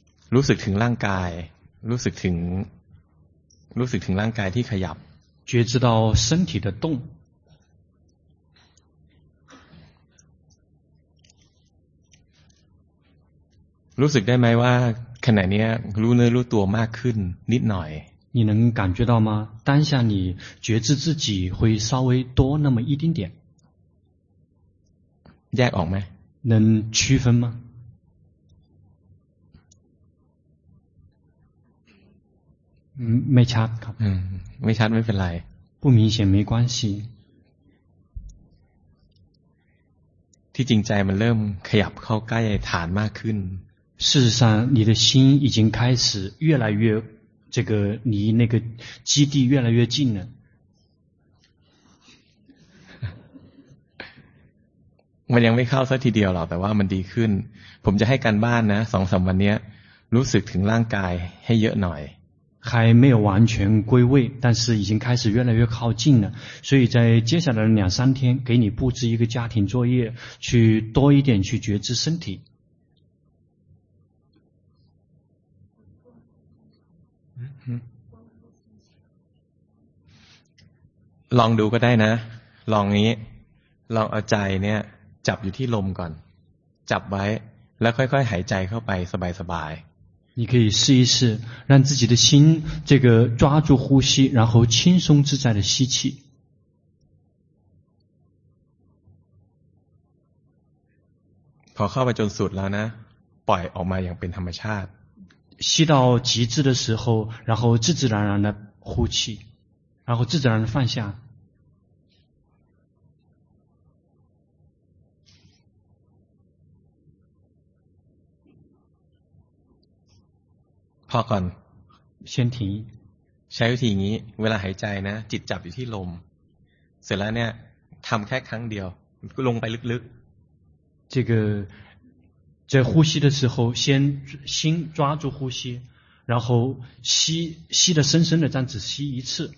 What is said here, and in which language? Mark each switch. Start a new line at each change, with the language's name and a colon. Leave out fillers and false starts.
Thai: รู้สึกถึงร่างกาย รู้สึกถึงร่างกายที่ขยับ
Chinese: 觉知到身体的动
Thai: รู้สึกได้ไหมว่าขณะนี้รู้เนื้อรู้ตัวมากขึ้นนิดหน่อย
Chinese: 你能感觉到吗当下你觉知自己会稍微多那么一丁点
Thai: แยกออกไหม
Chinese: 能区分吗
Thai: ไม่ชัดครับ ไม่ชัดไม่เป็นไร
Chinese: 不明显没关系
Thai: ที่จริงใจมันเริ่มขยับเข้าใกล้ฐานมากขึ้น
Chinese: 事实上你的心已经开始越来越这个离那个基地越来越近了
Thai: มันยังไม่เข้าสักทีเดียวหรอกแต่ว่ามันดีขึ้นผมจะให้การบ้านนะ 2-3 วันนี้รู้สึกถึงร่างกายให้เยอะหน่อย
Chinese: 还没有完全归位但是已经开始越来越靠近了所以在接下来的两三天给你布置一个家庭作业去多一点去觉知身体
Thai: ลองดูก็ได้นะลองนี้ลองเอาใจเนี่ยจับอยู่ที่ลมก่อนจับไว้แล้วค่อยๆหายใจเข้าไปสบายๆ
Chinese: 你可以试一试，让自己的心这个抓住呼吸，然后轻松自在的吸气。
Thai: พอเข้าไปจนสุดแล้วนะ，ปล่อยออกมาอย่างเป็นธรรมชาติ。
Chinese: 吸到极致的时候，然后自自然然的呼气，然后自自然的放下。
Thai: พอก่อน
Chinese: 先停
Thai: ใช้วิธีนี้เวลาหายใจนะจิตจับอยู่ที่ลมเสร็จแล้วเนี่ยทำแค่ครั้งเดียวลงไปลึก
Chinese: ๆ这个在呼吸的时候先心抓住呼吸然后吸的深深的这样子吸一次